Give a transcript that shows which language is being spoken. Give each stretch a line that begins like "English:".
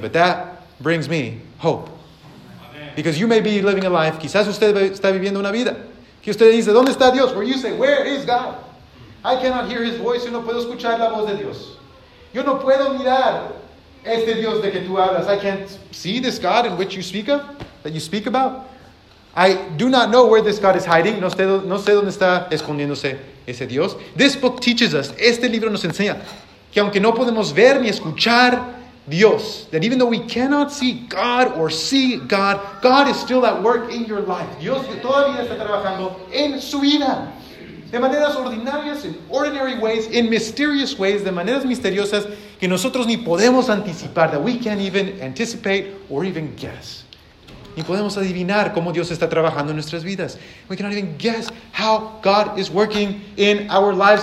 English: But that brings me hope. Because you may be living a life,
Spanish: quizás usted está viviendo una vida, que usted dice, ¿dónde está Dios?
English: Where you say, where is God? I cannot hear his voice,
Spanish: yo no puedo escuchar la voz de Dios. Yo no puedo mirar este Dios de que tú hablas.
English: I can't see this God in which you speak of, that you speak about. I do not know where this God is hiding.
Spanish: No sé dónde está escondiéndose ese Dios.
English: This book teaches us,
Spanish: este libro nos enseña, que aunque no podemos ver ni escuchar Dios,
English: that even though we cannot see God or see God, God is still at work in your life.
Spanish: Dios todavía está trabajando en su vida. De maneras ordinarias,
English: in ordinary ways, in mysterious ways,
Spanish: de maneras misteriosas que nosotros ni podemos anticipar,
English: that we can't even anticipate or even guess.
Spanish: Ni podemos adivinar cómo Dios está trabajando en nuestras vidas.
English: We cannot even guess how God is working in our lives.